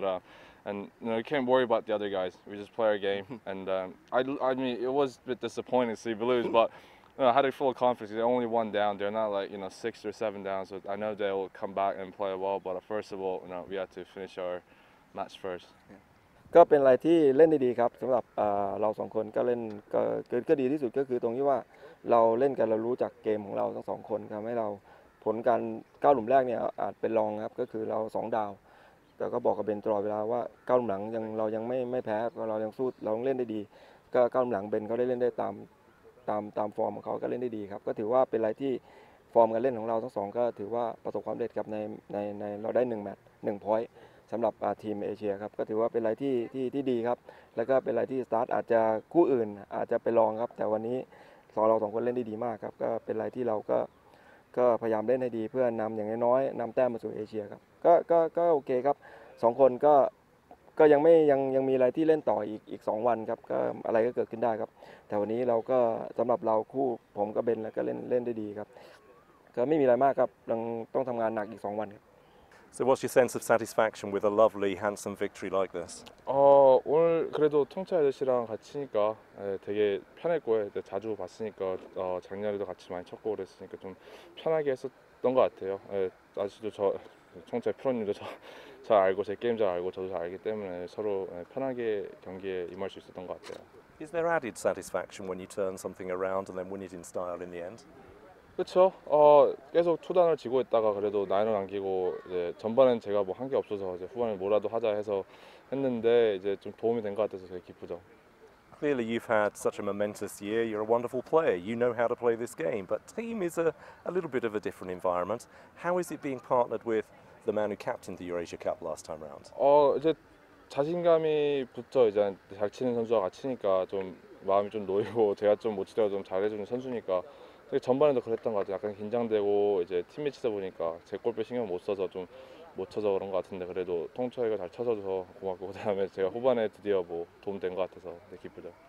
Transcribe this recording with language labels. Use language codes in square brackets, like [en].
[en] But, and you know, you can't worry about the other guys. We just play our game. And I mean, it was a bit disappointing to see blues, but you know, I had a full confidence. They're only one down. They're not like, you know, six or seven down. So I know they will come back and play well. But first of all, you know, we had to finish our match first. [th] ก็เป็นอะไรที่เล่นได้ดีครับสำหรับเราสองคนก็เล่นก็ดีที่สุดก็คือตรงที่ว่าเราเล่นกันเรารู้จักเกมของเราทั้งสองคนครับให้เราผลการก้าวหลุมแรกเนี่ยอาจเป็นรองครับก็คือเราสองดาวแต่ก็บอกกับเบนตลอดเวลาว่าก้าวหลังยังเรายังไม่แพ้เรายังสู้เราเล่นได้ดีก็ก้าวหลังเบนเขาได้เล่นได้ตา มฟอร์มของเขาก็เล่นได้ดีครับก็ถือว่าเป็นอะไรที่ฟอร์มการเล่นของเราทั้งสองก็ถือว่าประสบความสำเร็จครับในเราได้หนึ่งแมตช์หนึ่งพอยต์สำหรับทีมเอเชียครับก็ถือว่าเป็นอะไรที่ดีครับแล้วก็เป็นอะไรที่สตาร์ทอาจจะคู่อื่นอาจจะไปลองครับแต่วันนี้สองเราสองคนเล่นได้ดีมากครับก็เป็นอะไรที่เราก็พยายามเล่นให้ดีเพื่อนำอย่างน้อยๆนำแต้มมาสู่เอเชียครับก็โอเคครับสองคน ก็ยังมีอะไรที่เล่นต่ออีก2วันครับก็อะไรก็เกิดขึ้นได้ครับแต่วันนี้เราก็สำหรับเราคู่ผมกับเบนแล้วก็เล่นได้ดีครับก็ไม่มีอะไรมากครับยังต้องทำงานหนักอีก2วันครับ [en] So what's your sense of satisfaction with a lovely handsome victory like this? [ko] 오늘 그래도 통차 아저씨랑 같이 니까 되게 편했고요. 네, 자주 봤으니까 작년에도 같이 많이 쳤고 그랬으니까 좀 편하게 했었던 것 같아요. 네, 아저씨도 저 총재 프로님도 잘 알고 제 게임 잘 알고 저도 잘 알기 때문에 서로 편하게 경기에 임할 수 있었던 것 같아요. [en] Is there added satisfaction when you turn something around and then win it in style in the end? [ko] 그렇죠. 계속 초단을 지고 있다가 그래도 나인을 남기고 이제 전반엔 제가 뭐 한 게 없어서 이제 후반에 뭐라도 하자 해서 했는데 이제 좀 도움이 된 것 같아서 되게 기쁘죠. [en] Clearly you've had such a momentous year. You're a wonderful player. You know how to play this game. But team is a little bit of a different environment. How is it being partnered with the man who captained the EurAsia Cup last time round? [ko] 이제 자신감이 붙어 이제 잘 치는 선수와 같이 치니까 좀 마음이 좀 놓이고 제가 좀 못 치더라도 좀 잘해주는 선수니까 되게 전반에도 그랬던 것 같아요. 약간 긴장되고 이제 팀이 치다 보니까 제 골프 신경 못 써서 좀 못 쳐서 그런 것 같은데 그래도 통차이가 잘 쳐줘서 고맙고 그다음에 제가 후반에 드디어 뭐 도움 된 것 같아서 되게 기쁘죠.